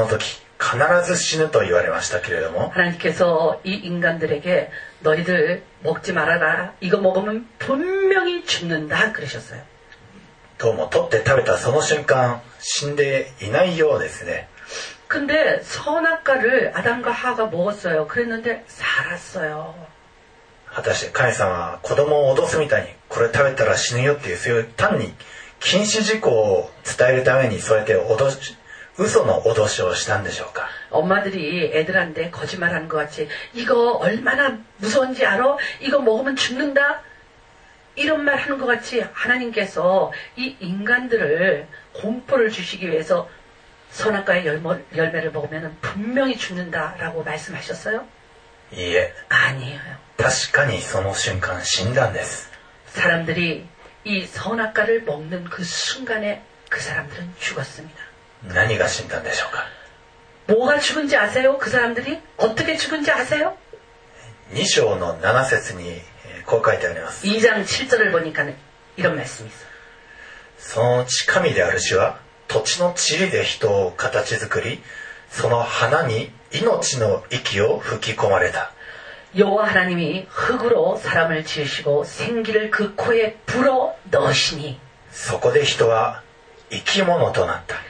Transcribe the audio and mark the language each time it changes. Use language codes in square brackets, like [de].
[ja] 神様はその善悪の実を取って食べるその時必ず死ぬと言われましたけれども, [ko] 하나님께서 이 인간들에게 너희들 먹지 말아라, 이거 먹으면 분명히 죽는다 그러셨어요. 또뭐 [ja] 取って食べたその瞬間死んでいないようですね. [ko] 근데 선악과를 아담과 하와가 먹었어요. 그랬는데 살았어요. [ja] 果たして神様は子供を脅すみたいにこれ食べたら死ぬよっていうそういう単に禁止事項を伝えるためにそうやって嘘の脅しをしたんでしょうか. [ko] 엄마들이 애들한테 거짓말한 것 같이 이거 얼마나 무서운지 알아? 이거 먹으면 죽는다? 이런 말 하는 것 같이 하나님께서 이 인간들을 공포를 주시기 위해서 선악과의 열매를 먹으면 분명히 죽는다라고 말씀하셨어요? 예. 아니에요. [ja] 確かに その [ko] 순간 [ja] 死んだんです. [ko] 사람들이 이 선악과를 먹는 그 순간에 그 사람들은 죽었습니다. [ja] 何が 死んだんでしょうか? [ko] 뭐가 죽은지 아세요? 그 사람들이 어떻게 죽은지 아세요? 2장 7절에 [ja] こう書いてあります. [ko] 2장 7절을 보니까 이런 말씀이 있어요. [ja] その地神である主は土地の塵で人を形作り、その花に命の息を吹き込まれた. [ko] 여호와 하나님이 흙으로 사람을 지으시고 생기를 그 코에 불어 넣으시니, [ja] そこで人は生き物となった.